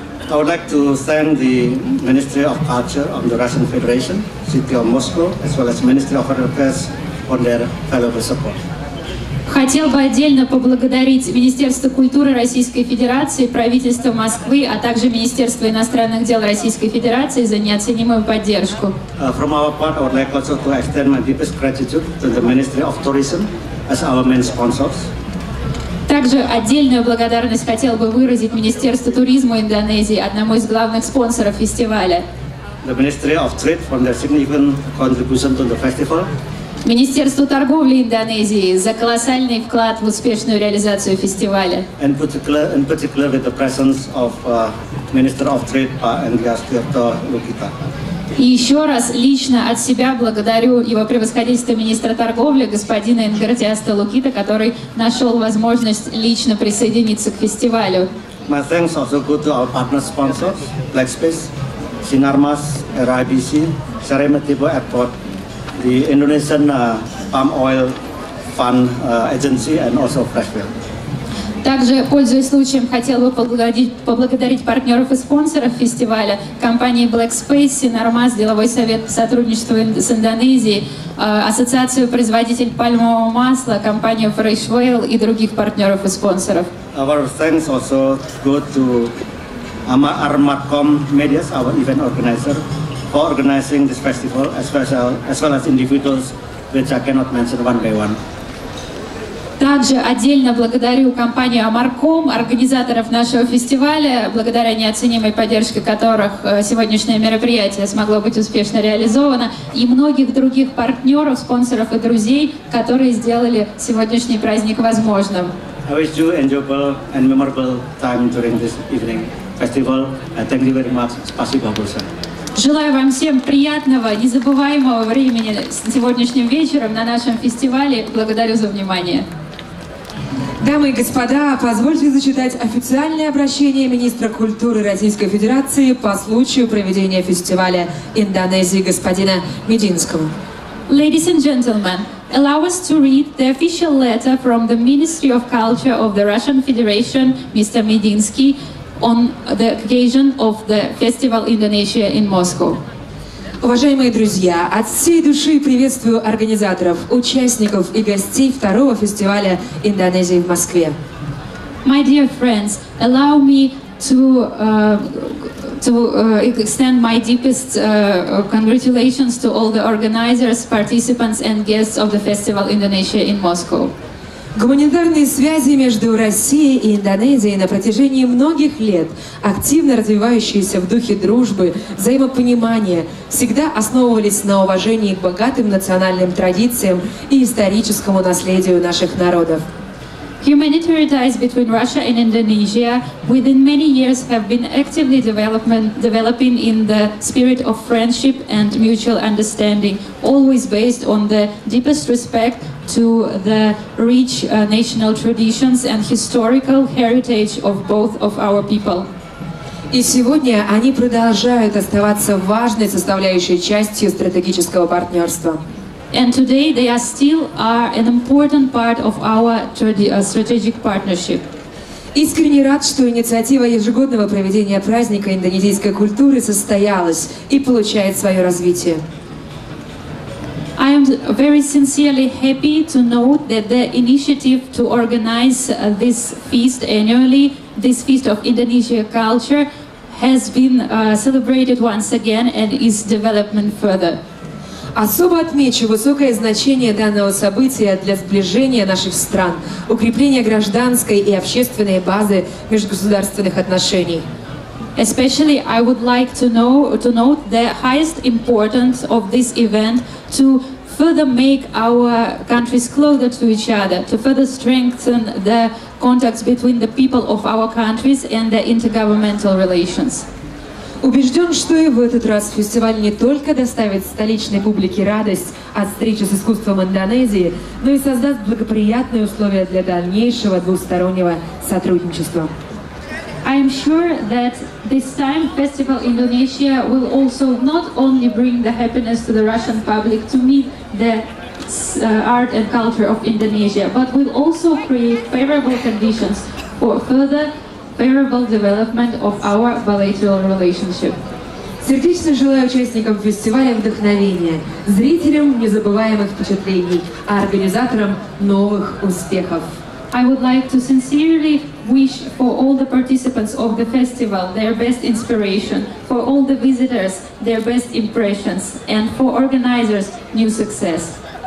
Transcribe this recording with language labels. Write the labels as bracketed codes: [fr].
[en] I would like to thank the Ministry of Culture of the Russian Federation, City of Moscow, as well as Ministry of Foreign Affairs for their valuable support. [ru] Хотел бы отдельно поблагодарить Министерство культуры Российской Федерации, правительство Москвы, а также Министерство иностранных дел Российской Федерации за неоценимую поддержку. [en] From our part, I would like also to extend my deepest gratitude to the Ministry of Tourism as our main sponsors. [ru] Также отдельную благодарность хотел бы выразить Министерству туризма Индонезии, одному из главных спонсоров фестиваля. [en] The Ministry of Trade for their significant contribution to the festival. [ru] Министерству торговли Индонезии за колоссальный вклад в успешную реализацию фестиваля. [en] And in particular with the presence of Minister of Trade, Pak Andreas Tirto Lukita. [ru] И еще раз лично от себя благодарю его превосходительство министра торговли господина Энгартиаста Лукита, который нашел возможность лично присоединиться к фестивалю. [en] My thanks also go to our partner sponsors, Blackspace, Sinarmas, RIBC, Sarimatibo Airport, the Indonesian Palm Oil Fund Agency, and also Freshfields. [ru] Также, пользуясь случаем, хотел бы поблагодарить партнеров и спонсоров фестиваля, компании Black Space, Синормас, деловой совет по сотрудничеству с Индонезией, ассоциацию производителей пальмового масла, компанию Fresh Whale и других партнеров и спонсоров. [en] Our thanks also go to Armacom Media, our event organizer, for organizing this festival, as well as individuals, which I cannot mention one by one. [ru] Также отдельно благодарю компанию Amarcom, организаторов нашего фестиваля, благодаря неоценимой поддержке которых сегодняшнее мероприятие смогло быть успешно реализовано, и многих других партнеров, спонсоров и друзей, которые сделали сегодняшний праздник возможным. [en] I wish you enjoyable and memorable time during this evening festival. Thank you very much. [ru] Спасибо большое. Желаю вам всем приятного, незабываемого времени с сегодняшним вечером на нашем фестивале. Благодарю за внимание. Дамы и господа, позвольте зачитать официальное обращение министра культуры Российской Федерации по случаю проведения фестиваля Индонезии господина Мединского. [en] Ladies and gentlemen, allow us to read the official letter from the Ministry of Culture of the Russian Federation, Mr. Мединский, on the occasion of the Festival Indonesia in Moscow. [ru] Уважаемые друзья, от всей души приветствую организаторов, участников и гостей второго фестиваля Индонезии в Москве. [en] My dear friends, allow me to extend my deepest congratulations to all the organizers, participants and guests of the Festival Indonesia in Moscow. [ru] Гуманитарные связи между Россией и Индонезией на протяжении многих лет, активно развивающиеся в духе дружбы, взаимопонимания, всегда основывались на уважении к богатым национальным традициям и историческому наследию наших народов. [en] Humanitarian ties between Russia and Indonesia within many years have been actively developing in the spirit of friendship and mutual understanding, always based on the deepest respect to the rich national traditions and historical heritage of both of our people. [ru] И сегодня они продолжают оставаться важной составляющей частью стратегического партнерства. [en] And today they are still are an important part of our strategic partnership. [ru] Искренне рад, что инициатива ежегодного проведения праздника индонезийской культуры состоялась и получает свое развитие. [en] I am very sincerely happy to know that the initiative to organize this feast annually, this feast of Indonesian culture, has been celebrated once again and is developing further. [ru] Особо отмечу высокое значение данного события для сближения наших стран, укрепления гражданской и общественной базы межгосударственных отношений. [en] Especially I would like to note the highest importance of this event to further make our countries closer to each other, to further strengthen the contacts between the people of our countries and the intergovernmental relations. [ru] Убежден, что и в этот раз фестиваль не только доставит столичной публике радость от встречи с искусством Индонезии, но и создаст благоприятные условия для дальнейшего двустороннего сотрудничества. [en] I am sure that this time Festival Indonesia will also not only bring the happiness to the Russian public to meet the art and culture of Indonesia, but will also create favorable conditions for further favorable development of our bilateral relationship. [ru] Сердечно желаю участникам фестиваля вдохновения, зрителям незабываемых впечатлений, а организаторам новых успехов. [en] I would like to sincerely wish for all the participants of the festival their best inspiration, for all the visitors their best impressions, and for organizers new success.